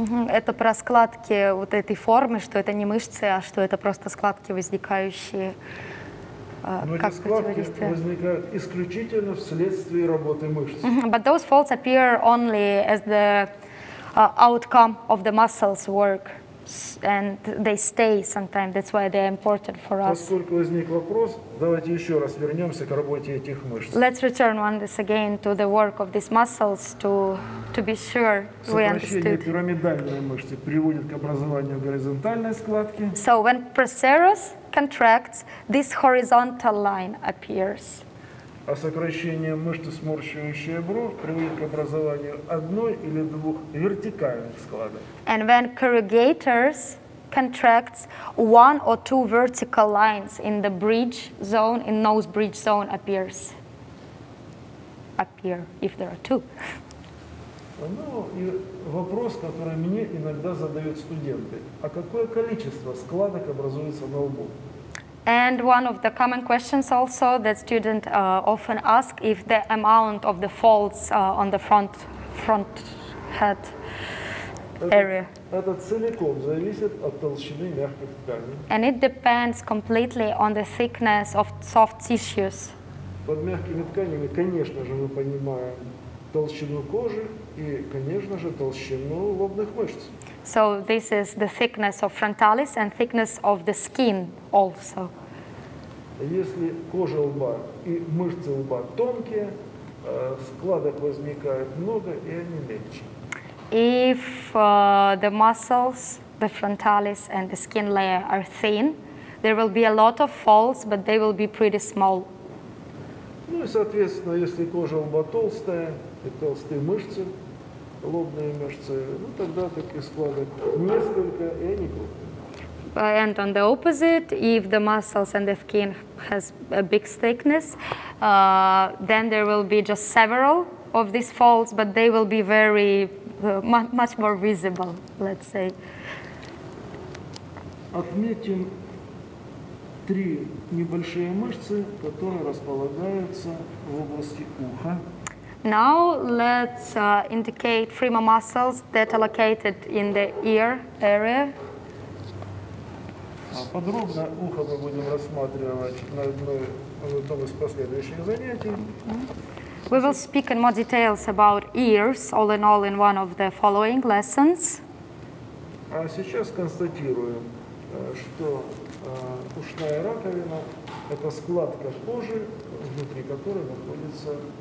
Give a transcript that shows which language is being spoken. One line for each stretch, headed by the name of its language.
Russian: Это про складки вот этой формы, что это не мышцы, а что это просто складки возникающие. Но эти складки возникают исключительно вследствие работы мышц.
English: But those folds appear only as the outcome of the muscles work. and they stay sometimes. That's why they are important for us.
Russian: Поскольку возник вопрос, давайте еще раз вернемся к работе этих мышц.
English: Let's return once again to the work of these muscles to be sure we understood.
Russian: Сокращение пирамидальной мышцы приводит к образованию горизонтальной складки.
English: So when procerus contracts, this horizontal line appears.
Russian: А сокращение мышцы, сморщивающей бровь, приводит к образованию одной или двух вертикальных складок.
English: And when corrugators contracts, one or two vertical lines in the bridge zone, in nose bridge zone appears. Appear, if there are two.
Russian: Ну и вопрос, который мне иногда задают студенты. А какое количество складок образуется на лбу?
English: And one of the common questions also that students often ask if the amount of the folds on the front head area.
Russian: Это целиком зависит от толщины мягких тканей.
English: And it depends completely on the thickness of soft tissues.
Russian: Под мягкими тканями, конечно же, мы понимаем толщину кожи и, конечно же, толщину лобных мышц.
English: So this is the thickness of frontalis and thickness of the skin also.
Russian: Если кожа лба и мышцы лба тонкие, складок возникает много и они мельче.
English: If the muscles, the frontalis and the skin layer are thin, there will be a lot of folds, but they will be pretty small.
Russian: Ну и соответственно, если кожа лба толстая и толстые мышцы, лобные мышцы, ну тогда таких складок несколько, и они крупные.
English: And on the opposite, if the muscles and the skin has a big thickness, then there will be just several of these folds, but they will be very much more visible, let's say.
Russian: Отметим три небольшие мышцы, которые располагаются в области уха.
English: Now let's indicate three more muscles that are located in the ear area.
Russian: Подробно ухо мы будем рассматривать на одном из последующих занятий.
English: We will speak in more details about ears all in all in one of the following lessons.
Russian: А сейчас констатируем, что ушная раковина – это складка кожи, внутри которой находится